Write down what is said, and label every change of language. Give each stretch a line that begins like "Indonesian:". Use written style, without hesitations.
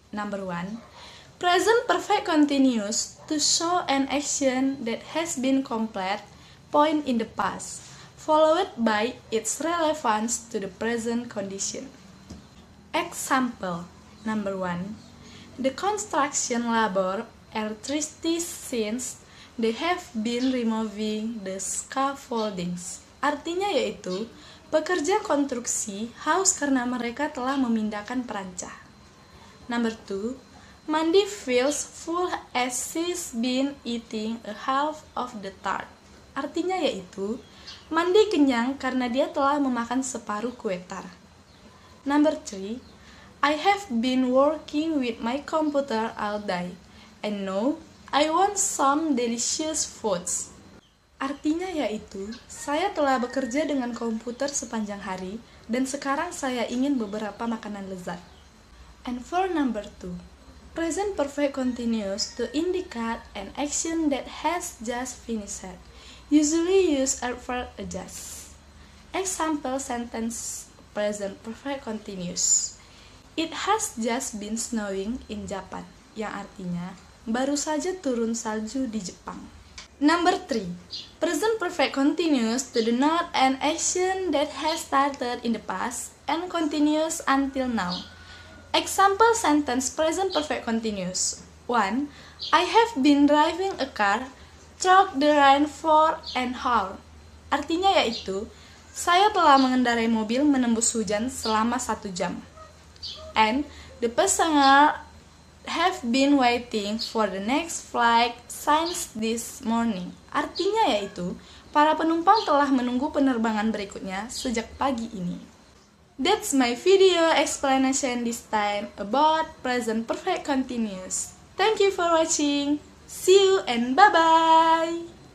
English: Number one, present perfect continuous to show an action that has been complete point in the past, followed by its relevance to the present condition. Example, number one, the construction labor are thirsty since they have been removing the scaffoldings.
Indonesian: Artinya yaitu, pekerja konstruksi haus karena mereka telah memindahkan perancah.
English: Number two, Mandy feels full as she's been eating a half of the tart.
Indonesian: Artinya yaitu, Mandy kenyang karena dia telah memakan separuh kue tart.
English: Number three, I have been working with my computer all day, and now I want some delicious foods.
Indonesian: Artinya yaitu, saya telah bekerja dengan komputer sepanjang hari, dan sekarang saya ingin beberapa makanan lezat.
English: And for number two, present perfect continuous to indicate an action that has just finished, usually use adverb just. Example sentence present perfect continuous. It has just been snowing in Japan,
Indonesian: yang artinya baru saja turun salju di Jepang.
English: Number three, present perfect continuous to denote an action that has started in the past and continues until now. Example sentence present perfect continuous. 1. I have been driving a car through the rain for an hour.
Indonesian: Artinya yaitu, saya telah mengendarai mobil menembus hujan selama 1 jam.
English: And the passenger have been waiting for the next flight since this morning.
Indonesian: Artinya yaitu, para penumpang telah menunggu penerbangan berikutnya sejak pagi ini.
English: That's my video explanation this time about present perfect continuous. Thank you for watching. See you and bye-bye.